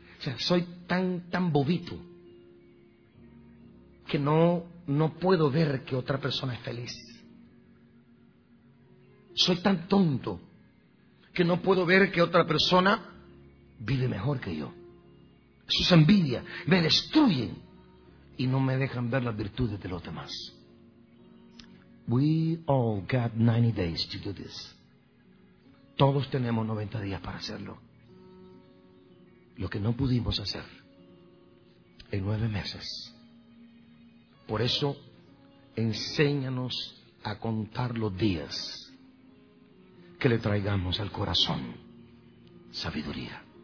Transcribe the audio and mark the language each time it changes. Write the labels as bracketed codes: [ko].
[es] O sea, soy tan bobito que no puedo ver que otra persona es feliz. Soy tan tonto que no puedo ver que otra persona vive mejor que yo. Eso es envidia. Me destruyen y no me dejan ver las virtudes de los demás. [en] We all got 90 days to do this. [es] Todos tenemos 90 días para hacerlo. Lo que no pudimos hacer en 9 meses. Por eso, enséñanos a contar los días que le traigamos al corazón sabiduría.